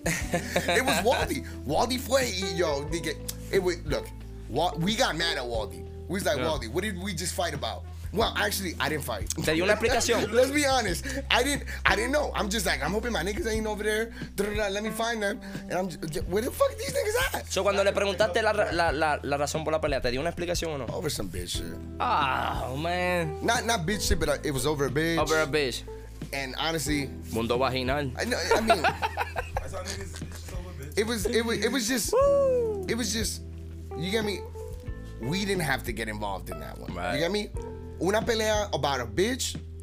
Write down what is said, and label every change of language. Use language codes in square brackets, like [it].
[en] It was Wildy. [es] Wildy fue, y yo, [en] nigga. We got mad at Wildy. We was like, Wildy, what did we just fight about? Well, actually, I didn't fight. [es] Te dio una aplicación. [en] Let's be honest. I didn't know. I'm just like, I'm hoping my niggas ain't over there. Let me find them. And I'm just, where the fuck are these niggas at? [es] So, cuando le preguntaste la razón por la pelea, ¿te dio una explicación o no? [en] Over some bitch shit. Oh, man. Not bitch shit, but it was over a bitch. Over a bitch. And honestly. [es] Mundo vaginal. [en] I mean. It was just. It was just. You get me? We didn't have to get involved in that one. Right. You get me? [es] Una pelea [en] about a bitch,